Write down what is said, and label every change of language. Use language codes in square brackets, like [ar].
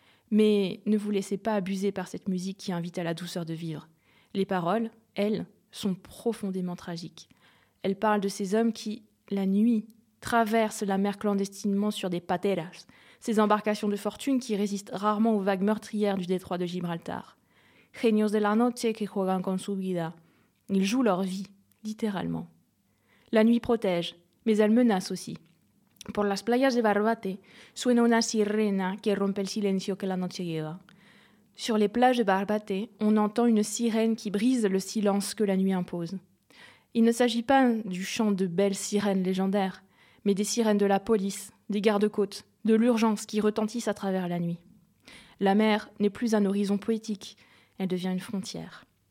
[fr] Mais ne vous laissez pas abuser par cette musique qui invite à la douceur de vivre. Les paroles, elles, sont profondément tragiques. Elles parlent de ces hommes qui, la nuit, traversent la mer clandestinement sur des pateras, ces embarcations de fortune qui résistent rarement aux vagues meurtrières du détroit de Gibraltar. [es] genios de la noche que juegan con su vida. [fr] Ils jouent leur vie, littéralement. La nuit protège, mais elle menace aussi. [es] Por las playas de Barbate, suena una sirena que rompe el silencio que la noche lleva. [fr] Sur les plages de Barbate, on entend une sirène qui brise le silence que la nuit impose. Il ne s'agit pas du chant de belles sirènes légendaires, mais des sirènes de la police, des gardes-côtes, de l'urgence qui retentissent à travers la nuit. La mer n'est plus un horizon poétique, elle devient une frontière.